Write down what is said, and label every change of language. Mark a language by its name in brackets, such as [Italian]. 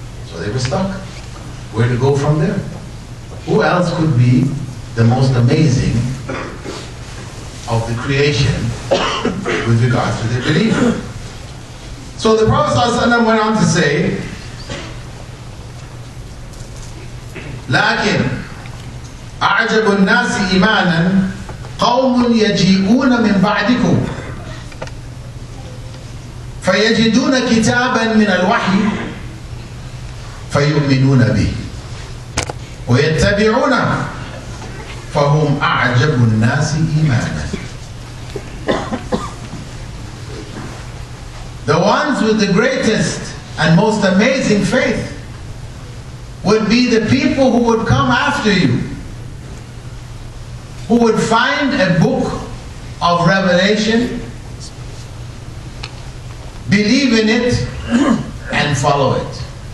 [English] So they were stuck. Where to go from there? Who else could be the most amazing of the creation with regards to their belief? So the Prophet ﷺ went on to say, [Arabic] لكن أعجب الناس إيمانا قوم يجيئون من بعدكم فيجدون كتابا من الوحي فيؤمنون به ويتبعون فهم أعجب الناس إيمانا. [English] The ones with the greatest and most amazing faith would be the people who would come after you, who would find a book of revelation, believe in it, and follow it.